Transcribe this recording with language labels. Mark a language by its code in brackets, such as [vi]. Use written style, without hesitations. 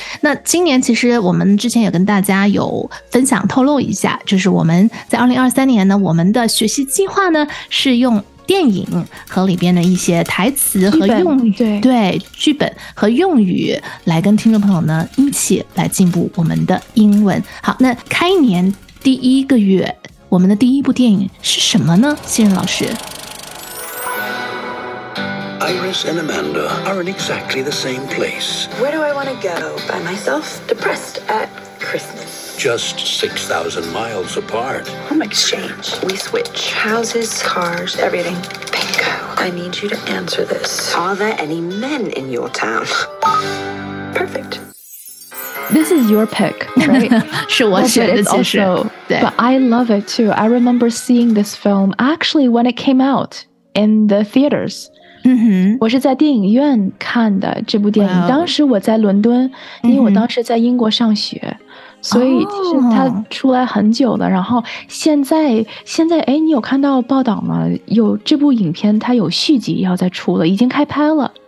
[zh] 那今年其实我们之前也跟大家有分享透露一下，就是我们在2023年呢，我们的学习计划呢是用电影和里边的一些台词和用语，对剧本和用语来跟听众朋友呢一起来进步我们的英文。好，那开年第一个月我们的第一部电影是什么呢？信任老师。 [en] Iris and Amanda are in exactly the same place. Where do I want to go by myself? Depressed at Christmas. Just 6,000 miles apart. Home exchange. We switch houses, cars, everything. Bingo. I need you to answer this. Are there any men in your town? Perfect. This is your pick, right? [zh] 是我选的，其实。 [en] But I love it too. I remember seeing this film actually when it came out in the theaters. [zh] 我是在电影院看的这部电影。 [en] Wow. [zh] 当时我在伦敦，因为我当时在英国上学，所以其实它出来很久了。然后现在，哎，你有看到报道吗？有这部影片，它有续集要再出了，已经开拍了。